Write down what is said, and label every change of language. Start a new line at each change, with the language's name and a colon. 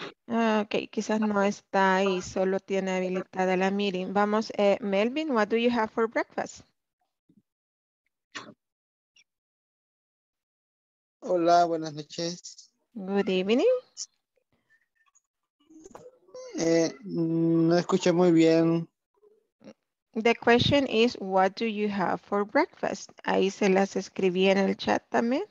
Spanish: Okay, quizás no está y solo tiene habilitada la meeting.
English: Vamos, Melvin, what do you have for breakfast?
Spanish: Hola, buenas noches.
English: Good evening.
Spanish: No escuché muy bien.
English: The question is, what do you have for breakfast?
Spanish: Ahí se las escribí en el chat también.